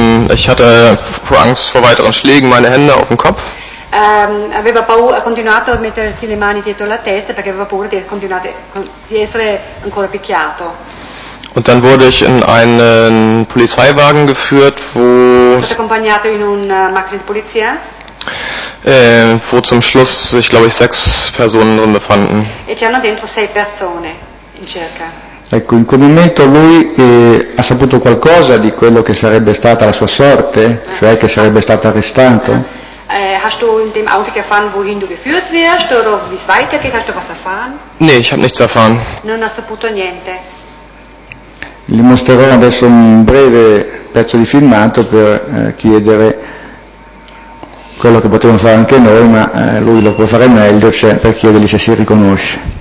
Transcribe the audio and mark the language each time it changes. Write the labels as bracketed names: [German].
[German] Ich hatte vor Angst vor weiteren Schlägen meine Hände auf dem Kopf. [Italian] aveva paura, ha continuato a mettersi le mani dietro la testa perché aveva paura di essere ancora picchiato. [German] Und dann wurde ich in einen Polizeiwagen geführt, wo [Italian] accompagnato in una macchina di polizia. [German] Wo zum Schluss sich, glaube ich, 6 Personen drin befanden. [Italian] E c'erano dentro 6 persone in circa. Ecco, in quel momento lui ha saputo qualcosa di quello che sarebbe stata la sua sorte, cioè che sarebbe stato arrestato? [German] Hast du in dem Augenblick erfahren, wohin du geführt wirst oder wie es weitergeht? Hast du was erfahren? Nee, ich habe nichts erfahren. [Italian] Non ho saputo niente. Gli mostrerò adesso un breve pezzo di filmato per chiedere quello che potremmo fare anche noi, ma lui lo può fare meglio, cioè per chiedergli se si riconosce.